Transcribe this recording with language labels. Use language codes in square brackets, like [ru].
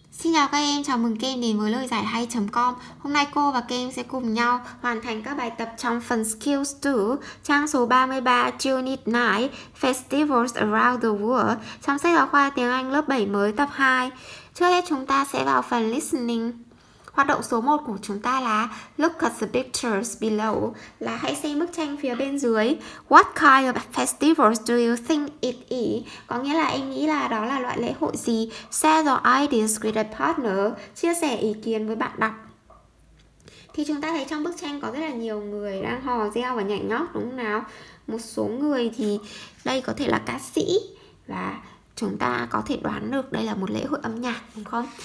[vi] Xin chào các em, chào mừng các em đến với lời giải hay.com. Hôm nay cô và các em sẽ cùng nhau hoàn thành các bài tập trong phần Skills 2, trang số 33, Unit 9, Festivals Around the World, trong sách giáo khoa tiếng Anh lớp 7 mới tập 2. Trước hết chúng ta sẽ vào phần Listening. Hoạt động số 1 của chúng ta là [en] Look at the pictures below, [vi] là hãy xem bức tranh phía bên dưới. [en] What kind of festivals do you think it is? [vi] Có nghĩa là em nghĩ là đó là loại lễ hội gì? [en] Share your ideas with a partner, [vi] chia sẻ ý kiến với bạn đọc. Thì chúng ta thấy trong bức tranh có rất là nhiều người đang hò reo và nhảy nhót đúng không nào? Một số người thì đây có thể là ca sĩ và chúng ta có thể đoán được đây là một lễ hội âm nhạc, đúng không?